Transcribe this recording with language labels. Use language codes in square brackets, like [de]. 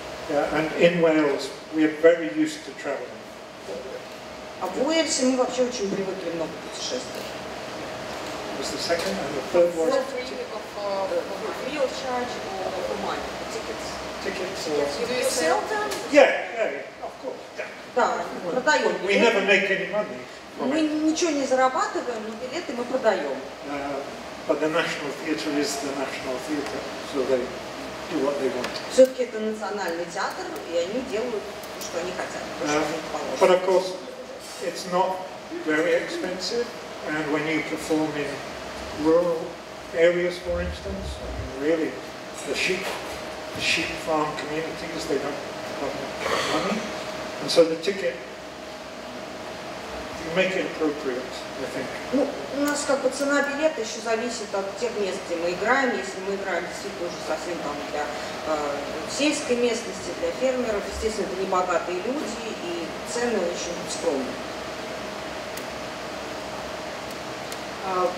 [en] Yeah, and in Wales we are very used to traveling. [ru] А в Уэльсе мы вообще очень привыкли много путешествовать. [en] Was the second and the third one? Free of charge or money? Tickets. Tickets. Do you sell them? Yeah, of course. [ru] Да, продаем. [en] We never make any money. [ru] Мы ничего не зарабатываем, но билеты мы продаем. [en] But the National Theatre is the National Theatre, so they do what they want. [ru] Все-таки это национальный театр, и они делают то, что они хотят. [en] But of course, it's not very expensive, and when you perform in rural areas, for instance, I mean, really, the sheep farm communities, they don't have money, and so the ticket. Make it appropriate, I think. [ru] Ну, у нас как бы цена билета еще зависит от тех мест, где мы играем. Если мы играем действительно уже совсем там для сельской местности, для фермеров, естественно, это не богатые люди, и цены очень скромные.